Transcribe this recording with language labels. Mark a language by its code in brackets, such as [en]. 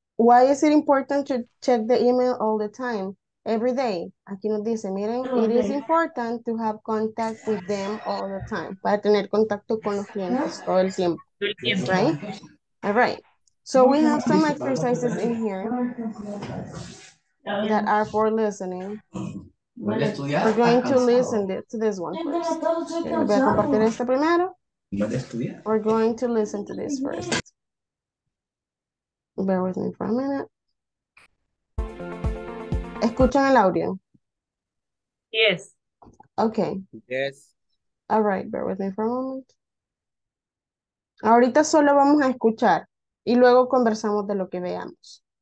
[en] Why is it important to check the email all the time? Every day. [es] Aquí nos dice, miren, [en] it is important to have contact with them all the time. [es] Para tener contacto con los clientes todo el tiempo. [en] Right? All right. So we have some exercises in here that are for listening. We're going to listen to this one first. We're going to listen to this first. Bear with me for a minute. [es] ¿Escuchan el audio? [en] Yes. Okay. Yes. All right, bear with me for a moment. [es] Ahorita solo vamos a escuchar y luego conversamos de lo que veamos.